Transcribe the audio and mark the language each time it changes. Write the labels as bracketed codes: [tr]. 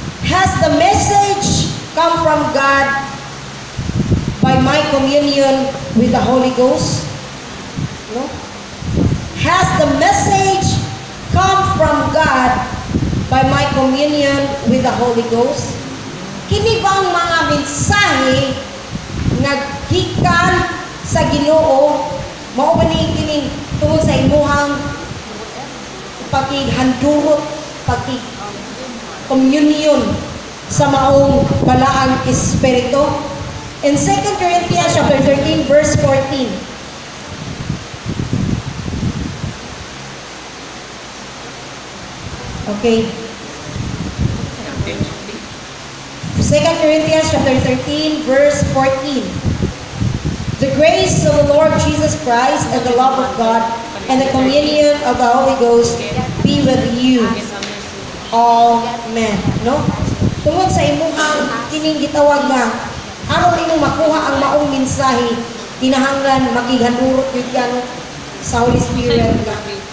[en] Has the message come from God by my communion with the Holy Ghost? No? Has the message come from God by my communion with the Holy Ghost? [ceb] Kini bang mga mensahe naggikan sa Ginoo, mao ba ni kini tungod sa imuhang pakighandurot, pakikomunyon sa maong balaang espiritu? [en] In 2 Corinthians chapter 13 verse 14. Okay. 2 2 Corinthians chapter 13, verse 14. The grace of the Lord Jesus Christ and the love of God and the communion of the Holy Ghost be with you. All men. No? [ceb] Tungod sa imo ang kining gitawag nga, aron imo makuha ang maong mensahe, kinahanglan makiganuro jud kan sa Holy Spirit nga.